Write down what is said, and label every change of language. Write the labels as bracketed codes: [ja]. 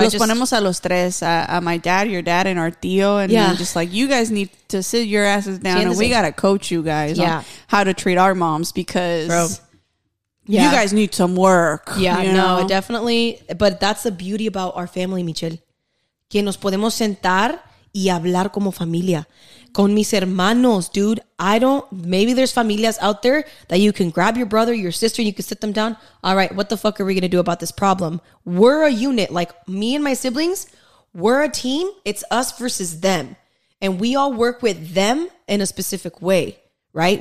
[es] los ponemos a los tres. [en] My dad, your dad, and our tío. And yeah. I'm just like, you guys need to sit your asses down. And we got to coach you guys on how to treat our moms because... Bro. Yeah. You guys need some work. Yeah, you know? No, definitely. But that's the beauty about our family, Michelle. [es] Que nos podemos sentar y hablar como familia. Con mis hermanos, dude. [en] Maybe there's familias out there that you can grab your brother, your sister, and you can sit them down. All right, what the fuck are we going to do about this problem? We're a unit. Like me and my siblings, we're a team. It's us versus them. And we all work with them in a specific way, right?